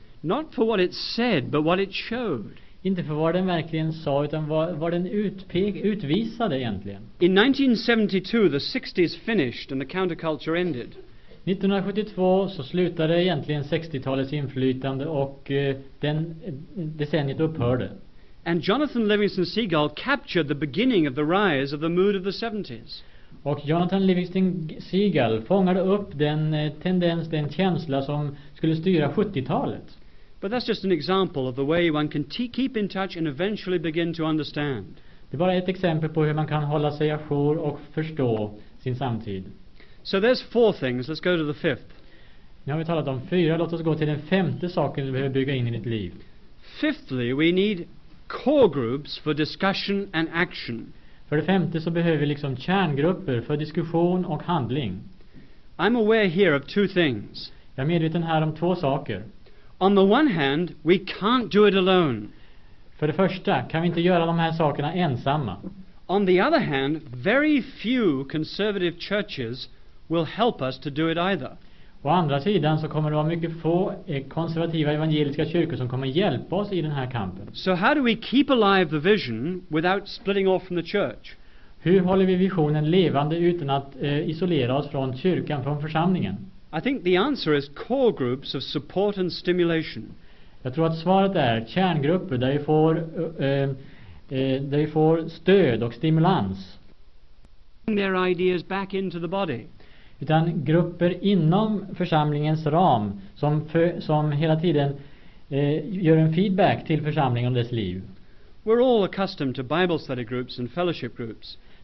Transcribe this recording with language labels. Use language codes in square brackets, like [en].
[en] Not for what it said, but what it showed. [sv] Inte för vad den verkligen sa, utan vad den utvisade egentligen. [en] In 1972, the 60s finished and the counterculture ended. [sv] 1972 så slutade egentligen 60-talets inflytande och den decenniet upphörde. [en] And Jonathan Livingston Seagull captured the beginning of the rise of the mood of the 70s. [sv] Och Jonathan Livingston Seagull fångade upp den tendens, den känsla som skulle styra 70-talet. [en] But that's just an example of the way one can keep in touch and eventually begin to understand. [sv] Det är bara ett exempel på hur man kan hålla sig ajour och förstå sin samtid. [en] So there's four things. Let's go to the fifth. [sv] Nu har vi talat om fyra. Låt oss gå till den femte saken du behöver bygga in i ditt liv. [en] Fifthly, we need core groups for discussion and action. [sv] För det femte så behöver vi liksom kärngrupper för diskussion och handling. [en] I'm aware here of two things. [sv] Jag är medveten här om två saker. [en] On the one hand, we can't do it alone. [sv] För det första kan vi inte göra de här sakerna ensamma. [en] On the other hand, very few conservative churches will help us to do it either. [sv] Å andra sidan så kommer det vara mycket få konservativa evangeliska kyrkor som kommer hjälpa oss i den här kampen. [en] So how do we keep alive the vision without splitting off from the church? [sv] Hur håller vi visionen levande utan att isolera oss från kyrkan, från församlingen? [en] I think the answer is core groups of support and stimulation. [sv] Jag tror att svaret är kärngrupper där vi får stöd och stimulans. [en] Bring their ideas back into the body. [sv] Utan grupper inom församlingens ram som hela tiden gör en feedback till församlingen om dess liv. [en] We're all accustomed to Bible study groups and fellowship groups.